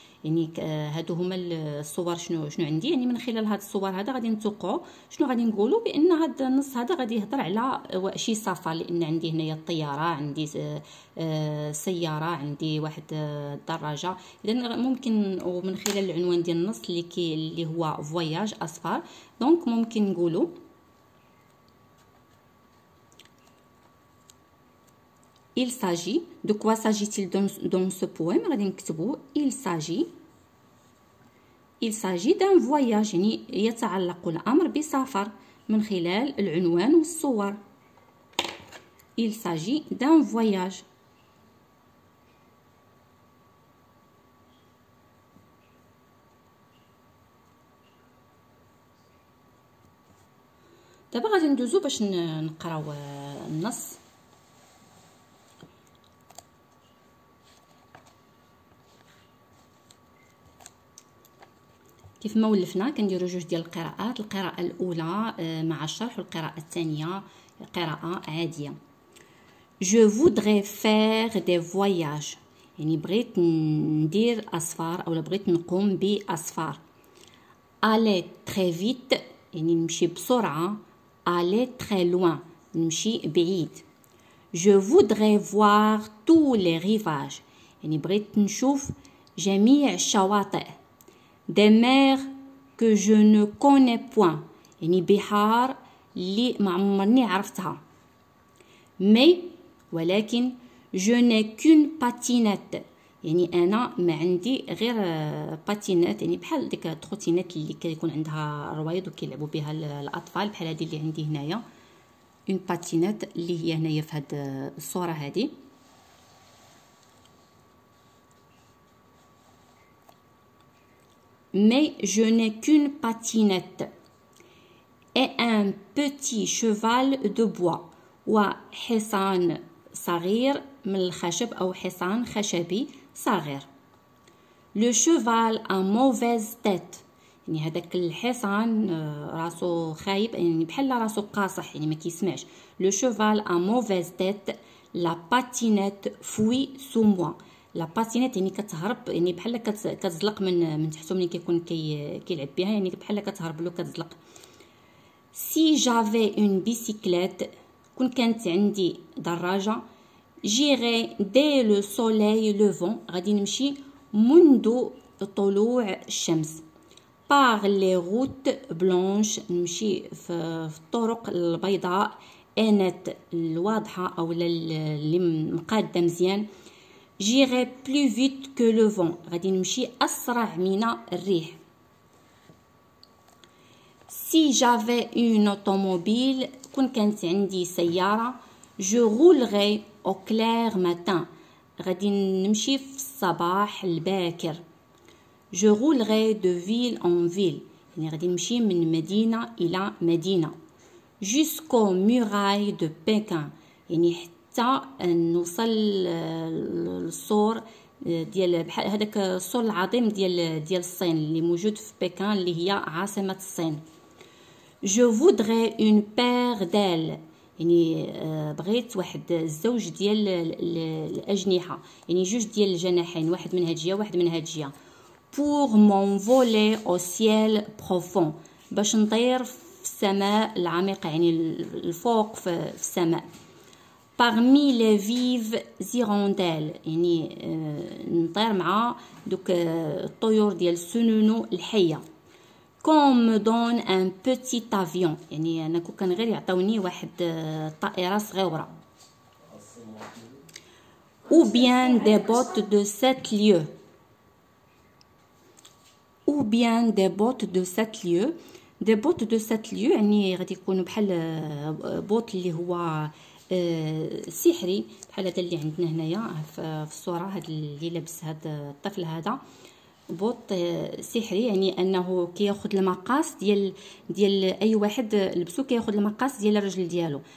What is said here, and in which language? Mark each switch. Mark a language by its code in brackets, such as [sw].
[ar] يعني هادو هما الصور، شنو عندي، يعني من خلال هاد الصور هذا غادي نتوقعوا شنو غادي نقولوا، بان هاد النص هذا غادي يهضر على شي سفر، لان عندي هنايا الطياره، عندي سياره، عندي واحد الدراجه. اذا ممكن ومن خلال العنوان ديال النص اللي هو فواياج اصفار، دونك ممكن نقولوا [fr] Il s'agit. De quoi s'agit-il dans ce poème? Regardez ce mot. Il s'agit. Il s'agit d'un voyage. [ar] يعني يتعلق الأمر بسفر من خلال العنوان والصور. Il s'agit d'un voyage. دابا غادي ندوزو باش نقراو النص. كيف ما ولفنا كنديرو جوج ديال القراءات، القراءة الأولى مع الشرح والقراءة الثانية قراءة عادية. [fr] Je voudrais faire des voyages، [ar] يعني بغيت ندير أصفار أو بغيت نقوم بأصفار. [fr] Aller très vite، [ar] يعني نمشي بسرعة. [fr] Aller très loin، [ar] نمشي بعيد. [fr] Je voudrais voir tous les rivages، [ar] يعني بغيت نشوف جميع الشواطئ. [fr] Des mers que je ne connais point. [ar] يعني بحار اللي ما عمرني عرفتها. [fr] Mais [ar] ولكن [fr] je n'ai qu'une patinette. [ar] يعني انا ما عندي غير باتينات، يعني بحال ديك التروتينات اللي كيكون عندها الروايض وكيلعبوا بها الاطفال، بحال هذه اللي عندي هنايا. اون باتينات اللي هي هنايا في هذه الصوره هذه. [fr] Mais je n'ai qu'une patinette et un petit cheval de bois. [ar] Wa hisan sagir mel khashab ou hisan khashabi sagir. [fr] Le cheval a mauvaise tête. [ar] يعني هذاك الحصان راسو خايب، يعني بحال راسو قاصح، يعني ما كيسمعش. [fr] Le cheval a mauvaise tête. La patinette fuit sous moi. [ar] لا باتينيت يعني كتهرب، يعني بحال كتزلق من تحتو ملي كيكون كيلعب بها، يعني بحال كتهرب له كتزلق. [fr] سي جافي اون بيسيكليت، [ar] كون كانت عندي دراجه. [fr] جيغي دي لو سولاي لوفون، [ar] غادي نمشي منذ طلوع الشمس. [fr] باغ لي غوت بلونش، [ar] نمشي في الطرق البيضاء. انات الواضحه او اللي مقاده مزيان. [fr] J'irai plus vite que le vent. [ar] غادي نمشي اسرع من الريح. [fr] Si j'avais une automobile, [ar] كون كانت عندي سيارة, [fr] je roulerais au clair matin. [ar] غادي نمشي في الصباح الباكر. [fr] Je roulerais de ville en ville. [ar] يعني غادي نمشي من مدينة إلى مدينة. [fr] Jusqu'aux murailles de Pékin. [ar] يعني حتى نوصل للسور ديال هذاك السور العظيم ديال الصين اللي موجود في بكان اللي هي عاصمة الصين. [fr] Je voudrais une paire d'ailes. [ar] يعني بغيت واحد الزوج ديال الأجنحة, يعني جوج ديال الجناحين, واحد من هاد الجهة واحد من هاد الجهة. [fr] Pour m'envoler au ciel profond. [ar] باش نطير في السماء العميقة, يعني الفوق في السماء. [fr] Parmi les vives hirondelles. [ar] يعني نطير مع دوك الطيور ديال السنونو الحية. [fr] Qu'on me donne un petit avion. [ar] يعني أنا كون كان غير يعطوني واحد طائرة صغيرة. [fr] Ou bien des bottes de 7 lieues. Ou bien des bottes de 7 lieues. Des bottes de 7 lieues. [ar] يعني غادي يكونوا بحال بوت اللي هو سحري, بحال هذا اللي عندنا هنايا في الصورة, هذا اللي لابس هذا الطفل, هذا بوط سحري, يعني انه كياخذ المقاس ديال اي واحد لبسو كياخذ المقاس ديال الرجل ديالو.